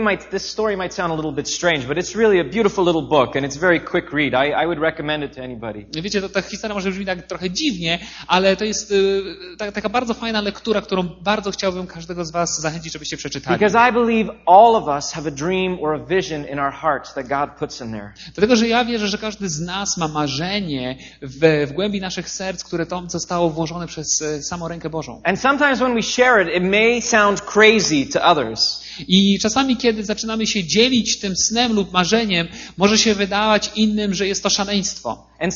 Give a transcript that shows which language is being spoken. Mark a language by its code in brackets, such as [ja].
[en] This story might sound a little bit strange, but it's really a beautiful little book and it's very quick read. I would recommend it to anybody. [pl] Wiecie, ta historia może brzmi tak trochę dziwnie, ale to jest taka bardzo fajna lektura, którą bardzo chciałbym każdego z was zachęcić, żebyście przeczytali. [en] Because I believe all of us have a dream or a vision in our hearts that God puts in there. [pl] Dlatego, że ja wierzę, że każdy z nas ma marzenie w głębi naszych serc, które tam zostało włożone przez samą rękę Bożą. [en] And sometimes when we share it, it may sound crazy to others. [pl] I czasami, kiedy zaczynamy się dzielić tym snem lub marzeniem, może się wydawać innym, że jest to szaleństwo.